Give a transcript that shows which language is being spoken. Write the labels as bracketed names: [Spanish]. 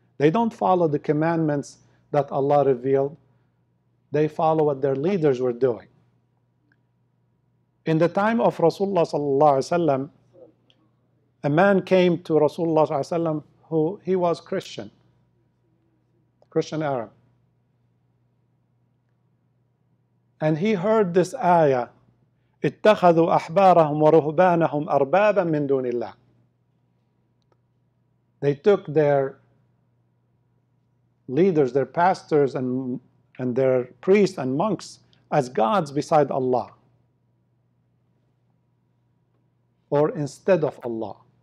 [English] They don't follow the commandments that Allah revealed. They follow what their leaders were doing. In the time of Rasulullah sallallahu alaihi wasallam, a man came to Rasulullah sallallahu alaihi wasallam who he was Christian Arab. And he heard this ayah, [Arabic] اتخذوا أحبارهم ورهبانهم أربابا من دون الله. [English] They took their leaders, their pastors, and their priests and monks as gods beside Allah, or instead of Allah.